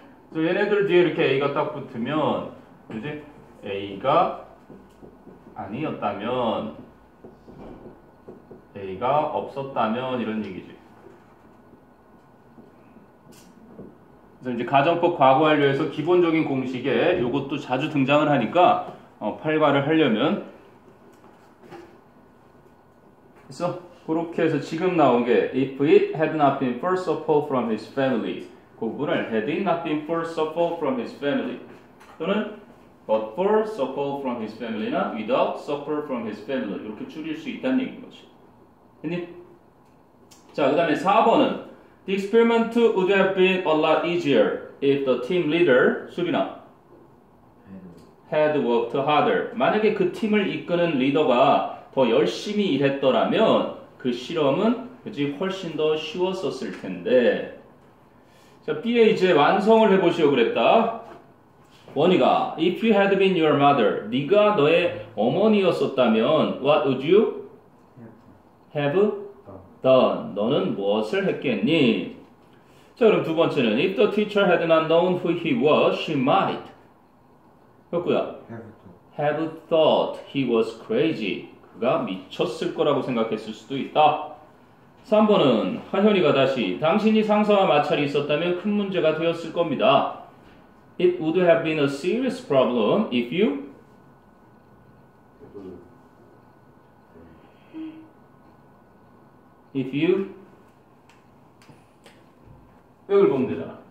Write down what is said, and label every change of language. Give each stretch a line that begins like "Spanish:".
Korean: 그래서 얘네들 뒤에 이렇게 A가 딱 붙으면 이제 A가 아니었다면 A가 없었다면 이런 얘기지. 그래서 이제 가정법 과거 완료에서 기본적인 공식에 이것도 자주 등장을 하니까 활발을 하려면 됐어? 그렇게 해서 지금 나온 게
English: If it had not been for support from his family
Korean: 그 부분을
English: Had it not been for support from his family
Korean: 또는
English: But for support from his family나 Without support from his family
Korean: 이렇게 줄일 수 있다는 얘기인 거지. 했니?
English: 자, 그 다음에 4번은 The experiment would have been a lot easier if the team leader,
Korean: 수빈아
English: had worked harder.
Korean: 만약에 그 팀을 이끄는 리더가 더 열심히 일했더라면 그 실험은 그지 훨씬 더 쉬웠었을 텐데. 자, B에 이제 완성을 해보시오 그랬다. 원희가
English: If you had been your mother,
Korean: 네가 너의 어머니였었다면
English: What would you have done?
Korean: 너는 무엇을 했겠니? 자, 그럼 두 번째는
English: If the teacher had not known who he was, she might
Korean: 했고요.
English: Have thought he was crazy.
Korean: 가 미쳤을 거라고 생각했을 수도 있다. 3번은 하현이가 다시 당신이 상사와 마찰이 있었다면 큰 문제가 되었을 겁니다.
English: It would have been a serious problem if you if you
Korean: 여기를 보면 되잖아.